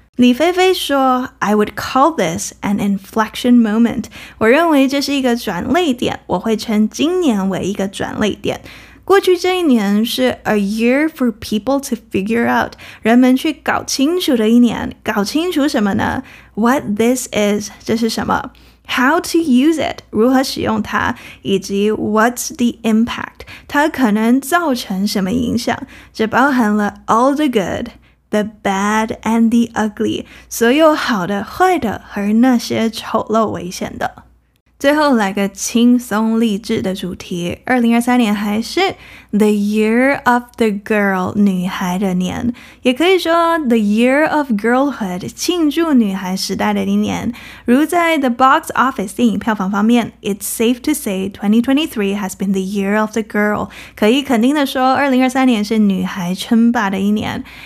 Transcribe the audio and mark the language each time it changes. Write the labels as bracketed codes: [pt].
[en] 李菲菲说 I would call this an inflection moment. [zh] 我认为这是一个转捩点，我会称今年为一个转捩点。过去这一年是 [en] a year for people to figure out, [zh] 人们去搞清楚的一年。搞清楚什么呢？ [en] What this is, [zh] 这是什么？ [en] How to use it, [zh] 如何使用它？以及 [en] What's the impact, [zh] 它可能造成什么影响？这包含了 [en] all the good,The bad and the ugly, [zh] 所有好的、坏的和那些丑陋、危险的。最后来个轻松励志的主题。 2023年还是 [en] The Year of the Girl, [zh] 女孩的年。也可以说 [en] The Year of Girlhood, [zh] 庆祝女孩时代的一年。如在 [en] The Box Office [zh] 电影票房方面 [en] It's safe to say 2023 has been the Year of the Girl. [zh] 可以肯定的说2023年是女孩称霸的一年。